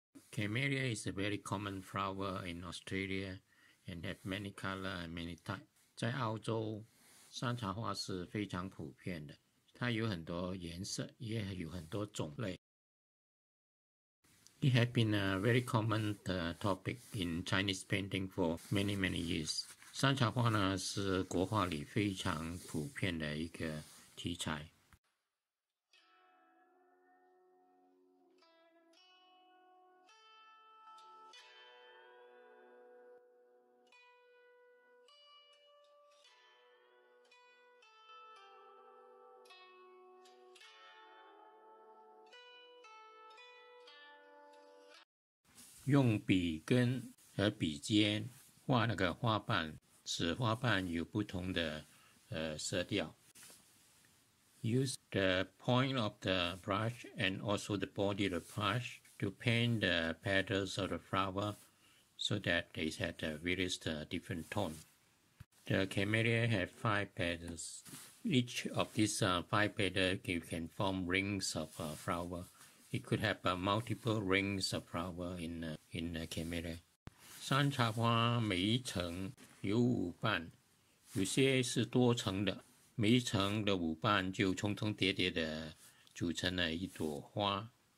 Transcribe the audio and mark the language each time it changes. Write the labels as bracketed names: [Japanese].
[English] Camellia is a very common flower in Australia and have many color and many type. [Chinese] 在澳洲山茶花是非常普遍的，它有很多颜色，也有很多种类。 [English] It has been a very common topic in Chinese painting for many, many years. [Chinese] 山茶花呢，是国画里非常普遍的一个题材。用笔根和笔尖画那个花瓣，使花瓣有不同的色调。 [English] Use the point of the brush and also the body of the brush to paint the petals of the flower so that they had the various different tone. The camellia have 5 petals. Each of these 5 petals can form rings of flower. It could have multiple rings of flower in the camellia. [Chinese] 山茶花每一层有五瓣，有些是多层的，每一层的五瓣就重重叠叠的组成了一朵花。